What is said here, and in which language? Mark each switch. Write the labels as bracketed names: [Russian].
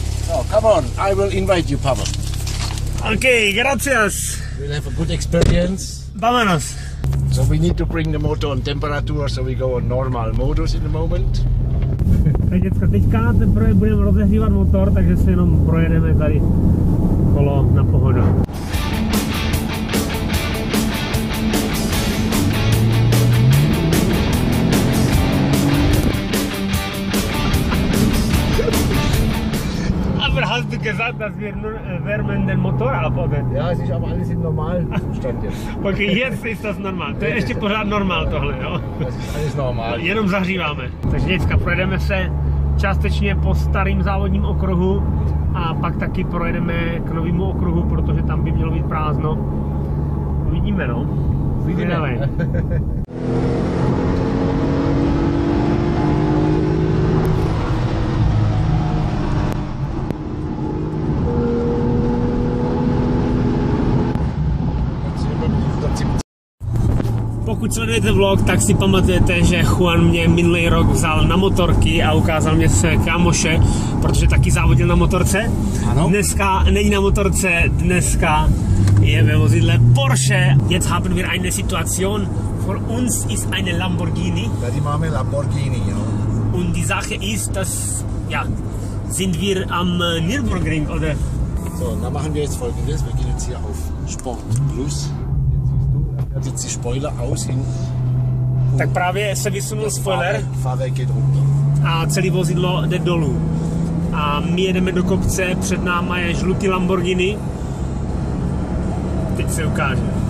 [English] Oh, come on, I will invite you, Pavel. [Spanish] Okay, gracias. [English] We'll have a good experience. [Spanish] Vámonos. [English] So we need to bring the motor on temperature, so we go on normal modus in the moment. [Czech] Tak děcka, teďka na ten projekt budeme rozehřívat motor, takže se jenom projedeme tady kolo na pohodu. [German] Aber hast du gesagt, dass wir nur wärmen den Motor ab, oder? Ja, es ist aber alles im Normalzustand jetzt. Okay, jetzt ist das normal. [Czech] To je ještě pořád normál tohle, jo? [German] Das ist normal. [Czech] Jenom zahříváme. Takže děcka, projedeme se částečně po starým závodním okruhu a pak taky projedeme k novému okruhu, protože tam by mělo být prázdno. Uvidíme, no. Uvidíme. Pokud sledujete vlog, tak si pamatujete, že Juan mě minulý rok vzal na motorky a ukázal mě své kámoše, protože taky závodil na motorce. Ano. Dneska není na motorce, dneska je ve vozidle Porsche. [German] Jetzt haben wir eine Situation. Für uns ist eine Lamborghini. [Czech] Tady máme Lamborghini, jo. [German] Und die Sache ist, dass, ja, sind wir am Nürburgring, oder? So, dann machen wir jetzt folgendes. Wir gehen jetzt hier auf Sport Plus. Jetzt die Spoiler aus hinten. [Czech] Tak právě se vysunul spoiler. [German] Fahrwerk geht runter. [Czech] A celý vozidlo jde dolů. A my jedeme do kopce, před náma je žlutý Lamborghini. Teď se ukáže.